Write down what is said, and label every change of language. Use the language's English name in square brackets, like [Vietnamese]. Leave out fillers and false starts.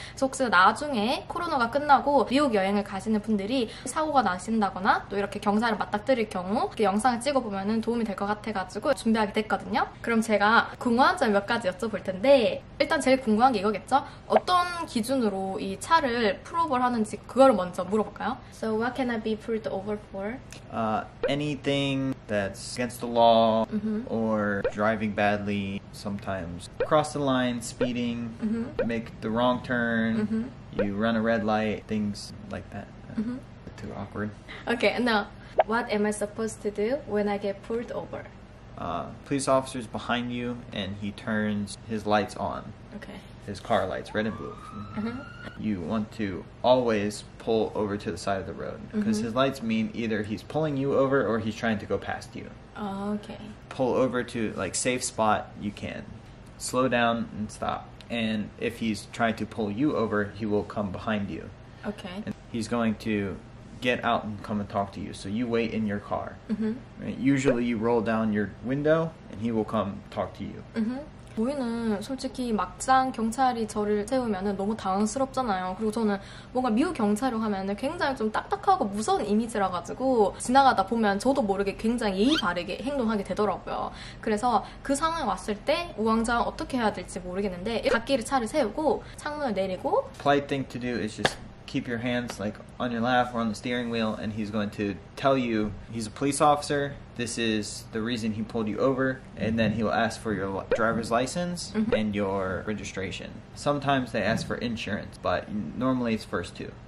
[Korean] 그래서 혹시 나중에 코로나가 끝나고 미국 여행을 가시는 분들이 사고가 나신다거나 또 이렇게 경찰을 맞닥뜨릴 경우 이렇게 영상을 찍어보면 도움이 될 것 같아가지고 준비하게 됐거든요. 그럼 제가 궁금한 점 몇 가지 여쭤볼 텐데 일단 제일 궁금한 게 이거겠죠? 어떤 기준으로 이 차를 풀오버 하는지 그거를 먼저 물어볼까요? [English] So what can I be pulled over for? Anything that's against the law. Mm-hmm. Or driving badly sometimes. Cross the line, speeding, mm-hmm. make the wrong turn, mm-hmm. you run a red light, things like that. Mm-hmm. Too awkward. Okay, now, what am I supposed to do when I get pulled over? Police officer's behind you and he turns his lights on. Okay. His car lights, red and blue. Mm-hmm. Mm-hmm. You want to always pull over to the side of the road because mm-hmm. his lights mean either he's pulling you over or he's trying to go past you. Oh, okay. Pull over to like safe spot, you can. Slow down and stop. And if he's trying to pull you over, he will come behind you. Okay. And he's going to get out and come and talk to you. So you wait in your car. Mm-hmm. Right? Usually you roll down your window and he will come talk to you. Mm-hmm. [Korean] 저희는 솔직히 막상 경찰이 저를 세우면은 너무 당황스럽잖아요. 그리고 저는 뭔가 미국 경찰을 하면은 굉장히 좀 딱딱하고 무서운 이미지라 가지고 지나가다 보면 저도 모르게 굉장히 예의 바르게 행동하게 되더라고요. 그래서 그 상황에 왔을 때 우왕좌왕 어떻게 해야 될지 모르겠는데 갓길에 차를 세우고 창문을 내리고 [English] polite thing to do is just keep your hands like on your lap or on the steering wheel and he's going to tell you he's a police officer. This is the reason he pulled you over, and then he will ask for your driver's license mm-hmm. and your registration. Sometimes they ask for insurance, but normally it's first two.